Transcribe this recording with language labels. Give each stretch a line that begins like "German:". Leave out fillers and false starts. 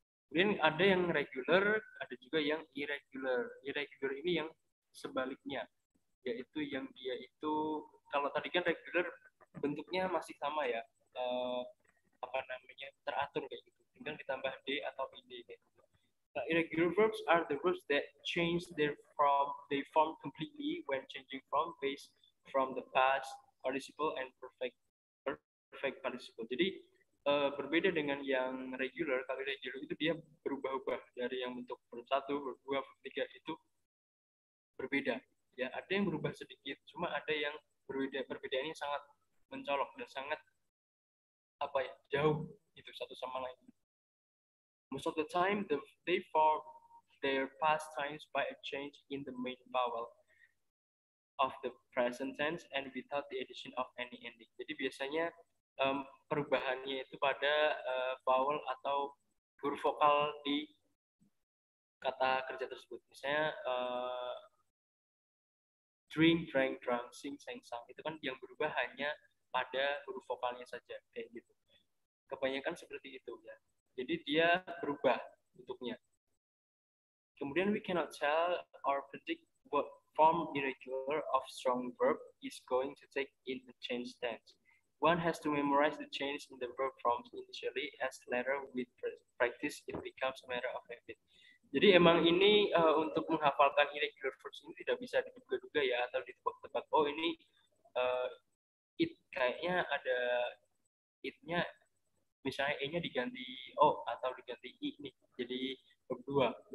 Indonesian: Kemudian ada yang regular, ada juga yang irregular. Irregular ini yang sebaliknya. Yaitu yang dia itu, kalau tadi kan regular bentuknya masih sama ya. Apa namanya, teratur kayak gitu. Tinggal ditambah D atau ID.
English: Nah, irregular verbs are the verbs that change their form completely when changing from base from the past participle and perfect participle.
Indonesian: Jadi berbeda dengan yang regular, kalau regular itu dia berubah-ubah dari yang bentuk verb 1, verb 2, verb 3 itu berbeda. Ya, ada yang berubah sedikit, cuma ada yang berbeda. Perbedaannya sangat mencolok dan sangat apa ya, jauh itu satu sama lain.
English: Most of the time, they form their past tense by a change in the main vowel of the present tense and without the addition of any ending.
Indonesian: Jadi biasanya perubahannya itu pada vowel atau huruf vokal di kata kerja tersebut. Misalnya drink, drank, drunk, sing, sang, sang. Itu kan yang berubah hanya pada huruf vokalnya saja, kayak gitu. Kebanyakan seperti itu ya. Jadi dia berubah bentuknya. Kemudian
English: we cannot tell or predict what form irregular of strong verb is going to take in the change tense. One has to memorize the change in the verb forms initially as later with practice it becomes a matter of habit.
Indonesian: Jadi emang ini untuk menghafalkan irregular verbs ini tidak bisa diduga-duga ya atau ditebak-tebak. Oh ini it kayaknya ada it-nya. Misalnya E-nya diganti O atau diganti I nih, jadi verb 2.